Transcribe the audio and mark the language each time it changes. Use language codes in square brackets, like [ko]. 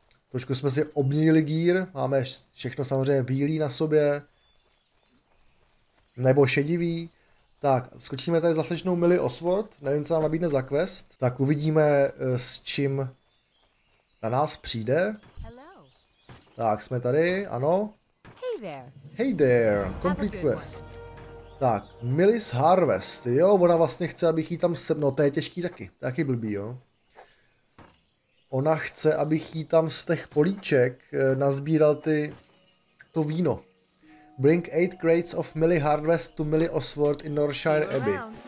[cs] Trošku jsme si obměnili gír, máme všechno samozřejmě bílý na sobě. Nebo šedivý. Tak, skočíme tady za slečnou Millie Osworth, nevím, co nám nabídne za quest. Tak uvidíme, s čím na nás přijde. Tak, jsme tady, ano. [en] Hey there, complete quest. [cs] Tak, Millie's Harvest, jo, ona vlastně chce, abych jí tam sebral, no to je těžký taky, taky blbý, jo. Ona chce, abych jí tam z těch políček nazbíral ty, to víno. [en] Bring 8 crates of Millie Harvest to Millie Osworth in Northshire Abbey.